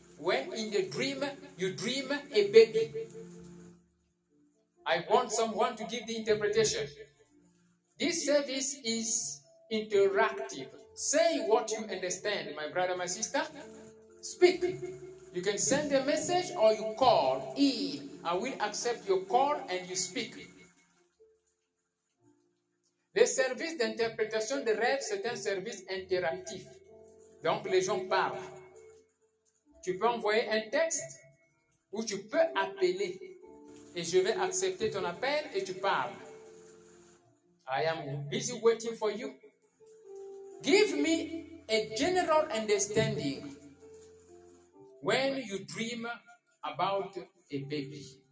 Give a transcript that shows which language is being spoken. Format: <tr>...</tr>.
<en>When in the dream, you dream a baby. I want someone to give the interpretation. This service is interactive. Say what you understand, my brother, my sister. Speak. You can send a message or you call. I will accept your call and you speak.</en> <fr>Le service d'interprétation des rêves, c'est un service interactif. Donc, les gens parlent. Tu peux envoyer un texte ou tu peux appeler. Et je vais accepter ton appel et tu parles.</fr> <en>I am busy waiting for you. Give me a general understanding when you dream about a baby.</en>